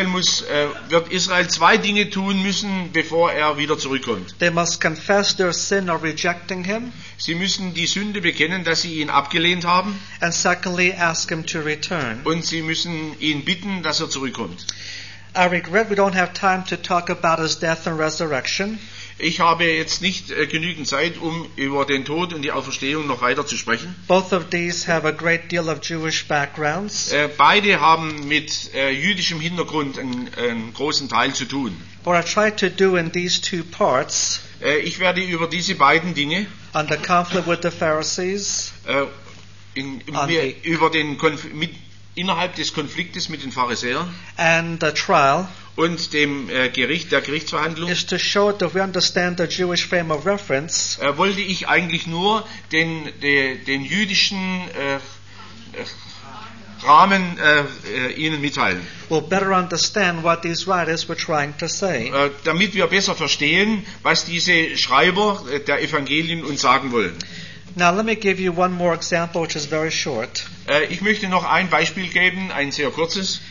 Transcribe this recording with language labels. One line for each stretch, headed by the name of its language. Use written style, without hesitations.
German: Israel wird zwei Dinge tun müssen, bevor er wieder zurückkommt.
English: They must confess their sin of rejecting him.
German: Sie müssen die Sünde bekennen, dass sie ihn abgelehnt haben.
English: And secondly, ask him to return.
German: Und sie müssen ihn bitten, dass er zurückkommt.
English: I regret we don't have time to talk about his death and resurrection.
German: Ich habe jetzt nicht genügend Zeit, um über den Tod und die Auferstehung noch weiter zu sprechen.
English: Both of these have a great deal of Jewish backgrounds.
German: Beide haben mit jüdischem Hintergrund einen großen Teil zu tun.
English: What I try to do in these two parts,
German: ich werde über diese beiden Dinge,
English: on the conflict with the Pharisees,
German: innerhalb des Konfliktes mit den Pharisäern
English: and the trial,
German: und dem Gericht, der Gerichtsverhandlung,
English: is to show that we understand the Jewish frame of reference,
German: wollte ich eigentlich nur den jüdischen Rahmen Ihnen mitteilen.
English: We'll better understand what these writers were trying to say.
German: Damit wir besser verstehen, was diese Schreiber der Evangelien uns sagen wollen.
English: Now let me give you one more example, which is very short.
German: Ich möchte noch ein Beispiel geben, ein sehr kurzes.